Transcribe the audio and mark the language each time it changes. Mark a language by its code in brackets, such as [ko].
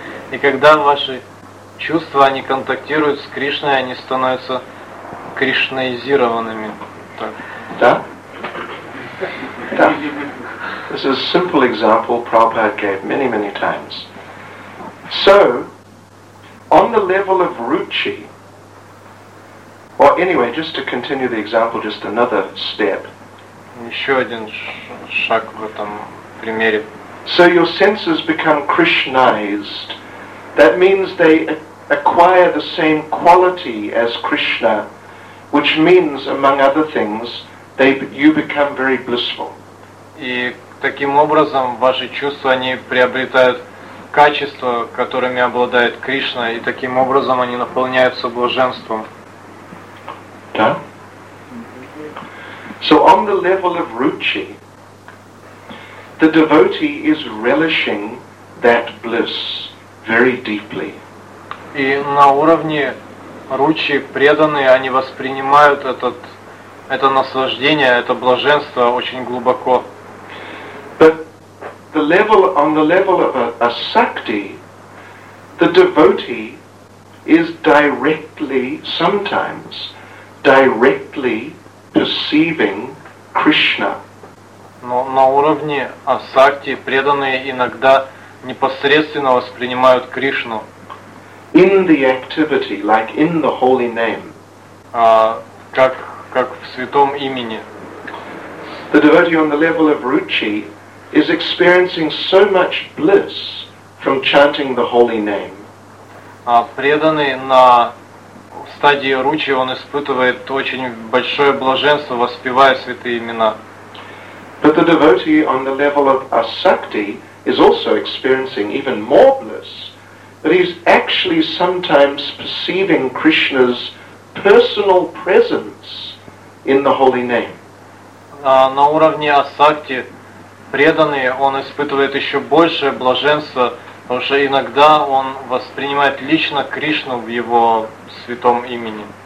[ru] И когда ваши чувства они контактируют с Кришной, они становятся кришнаизированными. Да? Да. [en] This is a simple example Prabhupada gave many, many times. So, on the level of ruchi, or anyway, just to continue the example, just another step. [ru] Еще один шаг в этом примере. [en] So your senses become Krishnaized. That means they acquire the same quality as Krishna, which means, among other things, you become very blissful. [ru] И таким образом ваши чувства они приобретают качества, которыми обладает Кришна, и таким образом они наполняются блаженством. Да? [en] So on the level of ruchi, the devotee is relishing that bliss very deeply. [ru] И на уровне ручи преданные, они воспринимают это наслаждение, это блаженство очень глубоко. [en] But the level, on the level of a sakti, the devotee is directly perceiving Krishna. [ru] Но на уровне асакти преданные иногда непосредственно воспринимают Кришну. [en] In the activity, like in the holy name. [ru] Как в святом имени. [en] The devotee on the level of ruchi is experiencing so much bliss from chanting the holy name. [ru] А преданный на стадии ручи, он испытывает очень большое блаженство, воспевая святые имена. [en] But the devotee on the level of asakti is also experiencing even more bliss, but he's actually sometimes perceiving Krishna's personal presence in the holy name. [ru] На уровне асакти преданный, он испытывает еще большее блаженство, потому что иногда он воспринимает лично Кришну в его святом имени.